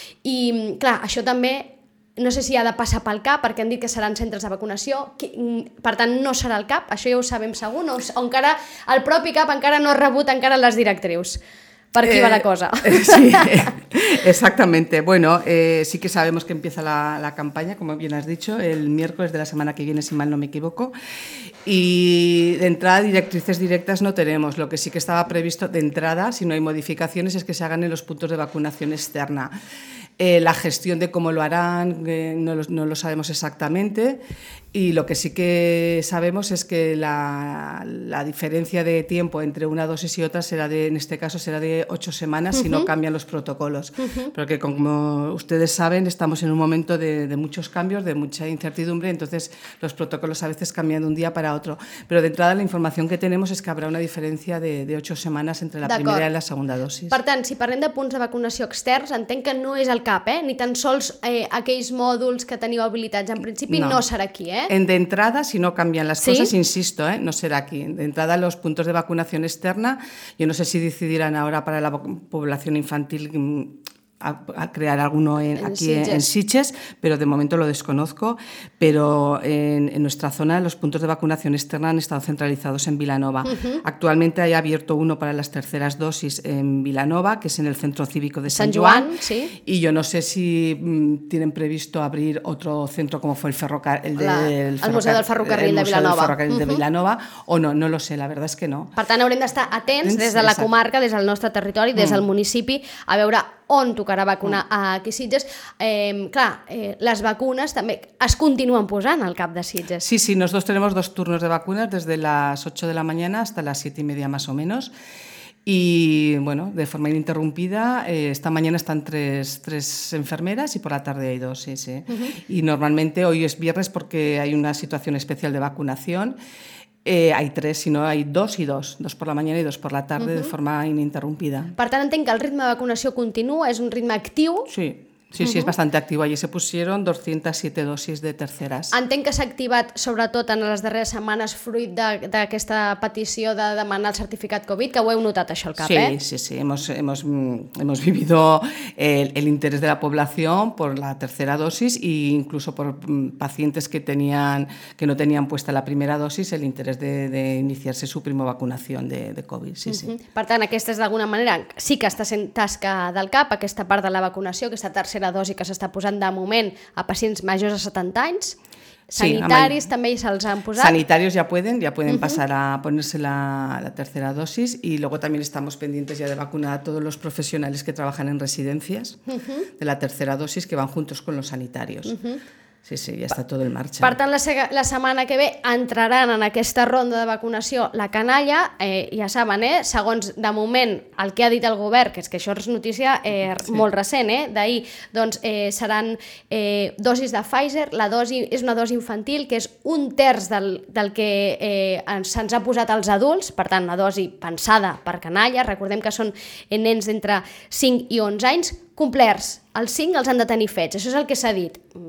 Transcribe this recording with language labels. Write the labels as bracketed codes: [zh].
[ca] I, clar, això també no sé si ha de passar pel CAP, perquè han dit que seran centres de vacunació, per tant no serà el CAP, això ja ho sabem segur, no? O encara el propi CAP encara no ha rebut encara les directrius. Per aquí va la cosa. [es] Sí, exactamente. Bueno, sí que sabemos que empieza la campaña, como bien has dicho, el miércoles de la semana que viene, si mal no me equivoco. Y de entrada, directrices directas no tenemos. Lo que sí que estaba previsto de entrada, si no hay modificaciones, es que se hagan en los puntos de vacunación externa. La gestión de cómo lo harán no lo sabemos exactamente, y lo que sí que sabemos es que la diferencia de tiempo entre una dosis y otra será de 8 semanas si no cambian los protocolos. Porque como ustedes saben, estamos en un momento de muchos cambios, de mucha incertidumbre, entonces los protocolos a veces cambian de un día para otro. Pero de entrada la información que tenemos es que habrá una diferencia de 8 semanas entre la primera y la segunda dosis. [ca] Per tant, si parlem de punts de vacunació externs, entenc que no és el CAP, ni tan sols aquells mòduls que teniu habilitats en principi, no serà aquí, D'entrada, si no canvien les coses, insisto, no serà aquí. [es] D'entrada, los puntos de vacunación externa, yo no sé si decidirán ahora para la población infantil a crear alguno en Sitges, pero de momento lo desconozco, pero en nuestra zona los puntos de vacunación externa han estado centralizados en Vilanova. Uh-huh. Actualmente hay abierto uno para las terceras dosis en Vilanova, que es en el Centro Cívico de San Joan, ¿sí? Y yo no sé si tienen previsto abrir otro centro como fue el Museo del Ferrocarril de Vilanova, o no lo sé, la verdad es que no. [ca] Per tant, haurem d'estar atents des de la comarca, des del nostre territori, des del municipi, a veure on tocarà vacunar aquí a Sitges. Les vacunes també es continuen posant al CAP de Sitges. [es] Sí, nosotros tenemos dos turnos de vacunas desde las 8 de la mañana hasta las 7 y media más o menos. Y bueno, de forma ininterrumpida, esta mañana están tres enfermeras y por la tarde hay dos, sí. Uh-huh. Y normalmente hoy es viernes porque hay una situación especial de vacunación. Hay tres, sino hay dos por la mañana y dos por la tarde, uh-huh, de forma ininterrumpida. [ca] Per tant, entenc que el ritme de vacunació continua, és un ritme actiu. Sí, és bastant actiu. [es] Allí se pusieron 207 dosis de terceres. [ca] Entenc que s'ha activat, sobretot en les darreres setmanes, fruit d'aquesta petició de demanar el certificat Covid, que ho heu notat això al CAP, [es] Sí, hemos vivido el interés de la población por la tercera dosis e incluso por pacientes que no tenían puesta la primera dosis, el interés de iniciarse su primera vacunación de Covid. Sí, sí. [ca] Per tant, aquesta és d'alguna manera, sí que està sent tasca del CAP, aquesta part de la vacunació, aquesta tercera dosi que s'està posant de moment a pacients majors de 70 anys, [es] Sanitarios sí, también se los han puesto. Sanitarios ya pueden uh-huh. pasar a ponerse la tercera dosis, y luego también estamos pendientes ya de vacunar a todos los profesionales que trabajan en residencias uh-huh. de la tercera dosis, que van juntos con los sanitarios. [ca] Uh-huh. Sí, ja està tot en marxa. Per tant, la setmana que ve entraran en aquesta ronda de vacunació la canalla, ja saben, segons de moment el que ha dit el govern, que és que això és notícia molt recent, d'ahir, doncs seran dosis de Pfizer, la dosi és una dosi infantil que és un terç del que se'ns ha posat als adults, per tant, una dosi pensada per canalla, recordem que són nens d'entre 5 i 11 anys, complerts, els 5 els han de tenir fets, això és el que s'ha dit.